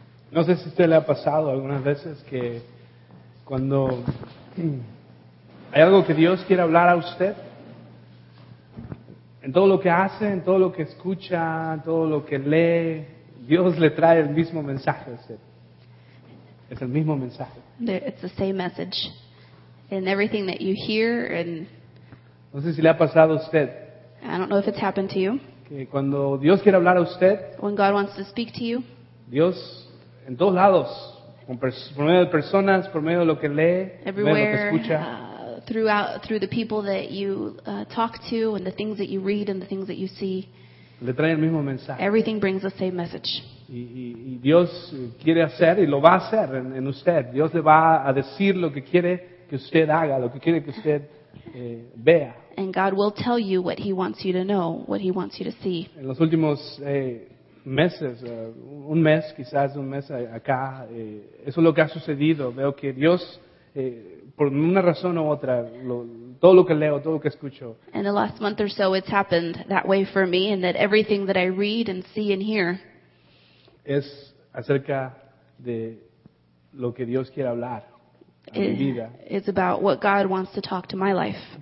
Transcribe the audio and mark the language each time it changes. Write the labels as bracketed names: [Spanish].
[Spanish] No sé si a usted le ha pasado algunas veces que cuando hay algo que Dios quiere hablar a usted, en todo lo que hace, en todo lo que escucha, en todo lo que lee, Dios le trae el mismo mensaje a usted. Es el mismo mensaje. [English] It's the same message in everything that you hear. And [Spanish] no sé si le ha pasado a usted. [English] I don't know if it's happened to you. [Spanish] Que cuando Dios quiere hablar a usted, [English] when God wants to speak to you, [Spanish] Dios en todos lados, por medio de personas, por medio de lo que lee, por medio de lo que escucha, [English] through the people that you talk to and the things that you read and the things that you see, [Spanish] le trae el mismo mensaje. [English] Everything brings the same message. [Spanish] Y Dios quiere hacer y lo va a hacer en usted. Dios le va a decir lo que quiere que usted haga, lo que quiere que usted vea. [English] And God will tell you what He wants you to know, what He wants you to see. [Spanish] En los últimos meses, un mes, quizás un mes acá, eso es lo que ha sucedido. Veo que Dios, por una razón u otra, todo lo que leo, todo lo que escucho. [English] In the last month or so, it's happened that way for me, and that everything that I read and see and hear [Spanish] es acerca de lo que Dios quiere hablar a mi vida. [English] It's about what God wants to talk to my life about.